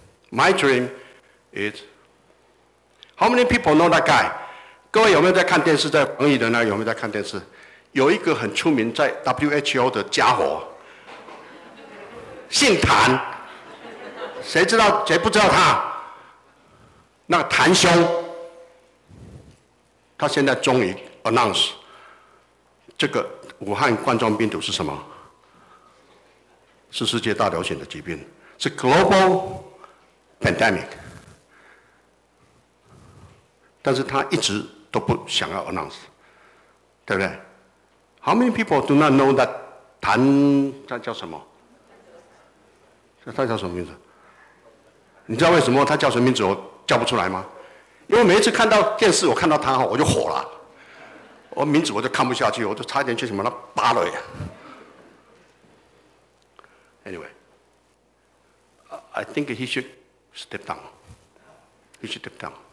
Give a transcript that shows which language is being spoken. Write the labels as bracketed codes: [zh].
[en] My dream is how many people know that guy？ [zh] 各位有没有在看电视？在防疫的呢？有没有在看电视？有一个很出名在 WHO 的家伙，姓谭，谁知道谁不知道他？那个谭兄，他现在终于 announce 这个武汉冠状病毒是什么？是世界大流行的疾病，是 global pandemic。但是他一直都不想要 announce， 对不对？ [en] How many people do not know that 谭他叫什么？ [zh] 他叫什么名字？你知道为什么他叫什么名字我叫不出来吗？因为每一次看到电视，我看到他我就火了，我名字我就看不下去，我就差点去什么那扒了呀。 [en] Anyway, I think he should step down. He should step down.